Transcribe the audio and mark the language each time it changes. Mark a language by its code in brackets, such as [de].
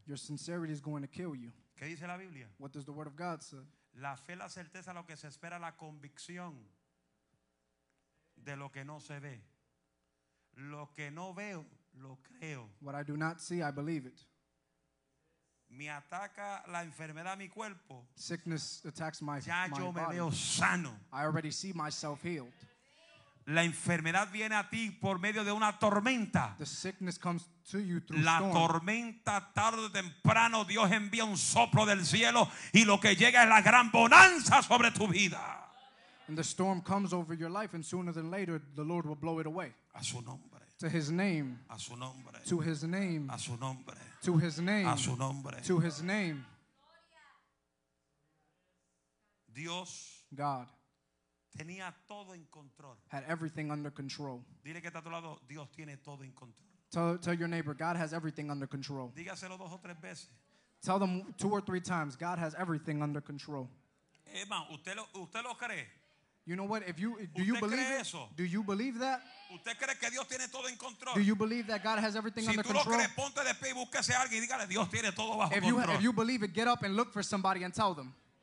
[en] Your sincerity is going to kill you. [es] ¿Qué dice la Biblia? [en] What does the word of God say? [es] La fe, la certeza, lo que se espera, la convicción de lo que no se ve. Lo que no veo, lo creo. [en] What I do not see, I believe it. [es] Me ataca la enfermedad a mi cuerpo. [en] Sickness attacks my body. [es] Ya yo me veo sano. [en] I already see myself healed. [es] La enfermedad viene a ti por medio de una tormenta. [en] The sickness comes to you through [es] la [en] storm. [es] Tormenta tarde o temprano Dios envía un soplo del cielo y lo que llega es la gran bonanza sobre tu vida. [en] And the storm comes over your life and sooner than later the Lord will blow it away. [es] A su nombre. [en] To his name. [es] A su nombre. [en] To his name. [es] A su nombre. [en] To his name. [es] A su nombre. [en] To his name. [es] Dios. [en] God. [es] Tenía todo en control. [en] Had everything under control. [es] Dile que está a tu lado, Dios tiene todo en control. [en] Tell your neighbor, God has everything under control. [es] Dígaselo dos o tres veces. [en] Tell them two or three times, God has everything under control. [es] Emma, usted lo cree. [en] You know what? Do you believe it? Do you believe that? [es] ¿Usted cree que Dios tiene todo en control? [en] Do you believe that God has everything [es] si [en] under control? [es] Si tú lo crees, ponte de pie y búsquese a alguien y dígale, Dios tiene todo bajo [en] if control. If you believe it, get up and look for somebody and tell them.